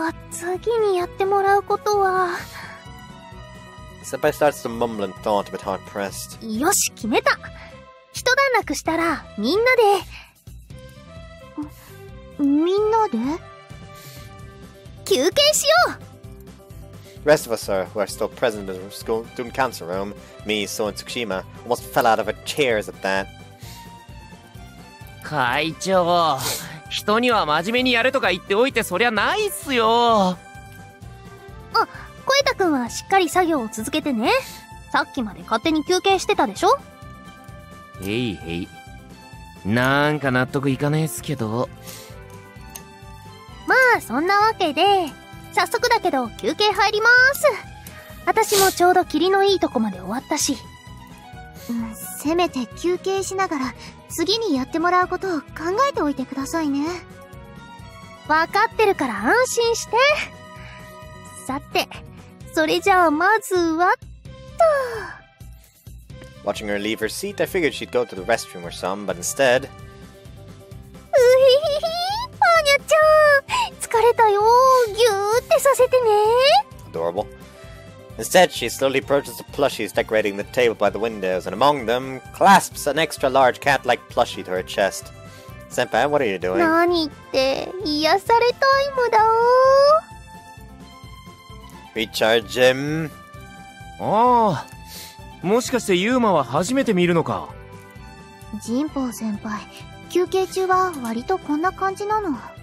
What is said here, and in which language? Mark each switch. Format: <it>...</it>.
<ja>次にやってもらうことは。</ja> <en>Senpai starts to mumble and thought, but hard pressed.</en> <ja>よし、決めた。一段落したら、みんなで。みんなで？休憩しよう。</ja> <en>Rest of us who are still present in the school student council room, me, So, and Tsukushima, almost fell out of our chairs at that.</en> <ja>会長。人には真面目にやれとか言っておいてそりゃないっすよ。あ、小枝くんはしっかり作業を続けてね。さっきまで勝手に休憩してたでしょ。へいへい。なんか納得いかねえっすけど。まあそんなわけで、早速だけど休憩入ります。私もちょうど霧のいいとこまで終わったし。せめて休憩しながら次にやってもらうことを考えておいてくださいね。わかってるから安心して。さて、それじゃあまずはっと。</ja> <en>Watching her leave her seat, I figured she'd go to the restroom or some, but instead…</en> <ja>うひひひ、パーニャちゃん疲れたよ、ぎゅーってさせてね。</ja> <en>Adorable. Instead, she slowly approaches the plushies decorating the table by the windows, and among them clasps an extra large cat-like plushie to her chest. Senpai, what are you doing?</en> <ja>何言って、癒されタイムだお。</ja> <en>Recharge him.</en> <ja>ああ、もしかしてユーマは初めて見るのか。ジンポー先輩、休憩中は割とこんな感じなの。</ja>